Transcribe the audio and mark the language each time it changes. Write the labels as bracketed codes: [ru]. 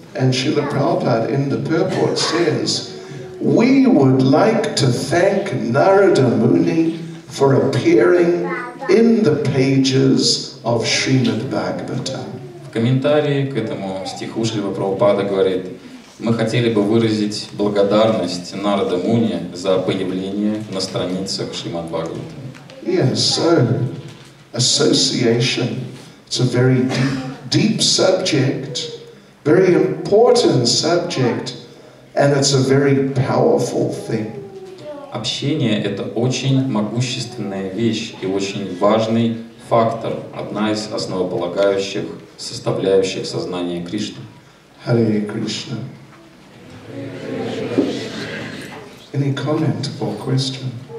[en] And Srila Prabhupada in the purport says, we would like to thank Narada Muni for appearing in the pages of Srimad Bhagavatam. [ru] В комментарии к этому стиху Шрила Прабхупада говорит, мы хотели бы выразить благодарность Нарада Муни за появление на страницах Шримад Бхагаватам. [en] Yes, so association. It's a very deep subject, very important subject, and it's a very powerful thing. [ru] Общение — это очень могущественная вещь и очень важный фактор, одна из основополагающих составляющих сознания Кришны. [en] Hare Krishna. Any comment or question?